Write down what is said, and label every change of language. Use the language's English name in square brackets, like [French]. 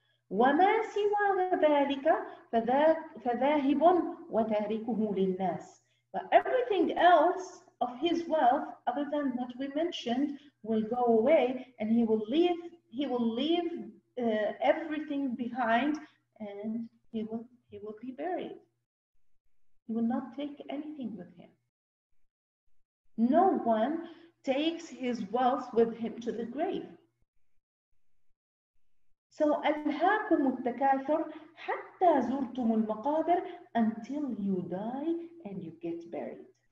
[Arabic] وما سوى ذلك فذاهب وتاركه للناس. [English] But everything else of his wealth, other than what we mentioned, will go away, and he will leave everything behind, and he will be buried. He will not take anything with him. No one takes his wealth with him to the grave. So [Arabic] ألهاكم التكاثر حتى زرتم المقابر, [English] until you die and you get buried.